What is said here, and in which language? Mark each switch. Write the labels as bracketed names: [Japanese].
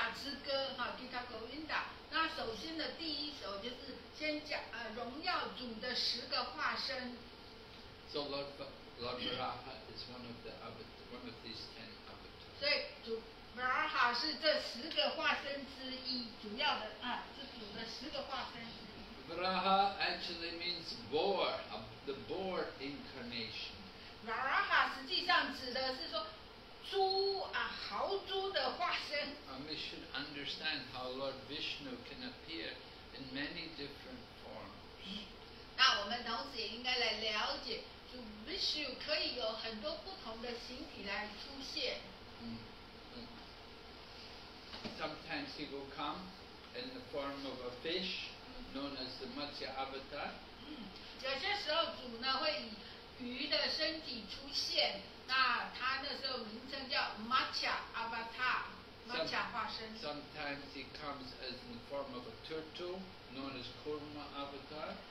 [Chinese] Govinda之歌，哈，Gita Govinda， 那首先的第一首就是先讲荣耀主的10个化身。 [English] So Lord Varaha is one of these 10 avatars. [Chinese] 所以主 Varaha 是这10个化身之一，主要的啊，是主的10个化身。 [English] Varaha actually means boar, the boar incarnation. [Chinese] Varaha 实际上指的是说猪啊，豪猪的化身。 [English] And we should understand how Lord Vishnu can appear in many different forms. [Chinese] 那我们同时也应该来了解，主 Vishnu 可以有很多不同的形体来出现。 [English] Sometimes he will come in the form of a fish, known as the Matsya Avatar. [Chinese] 有些时候主呢会以鱼的身体出现，那他那时候名称叫 Matsya Avatar. [English] apparition. Sometimes he comes as in the form of a turtle, known as Kurma Avatar.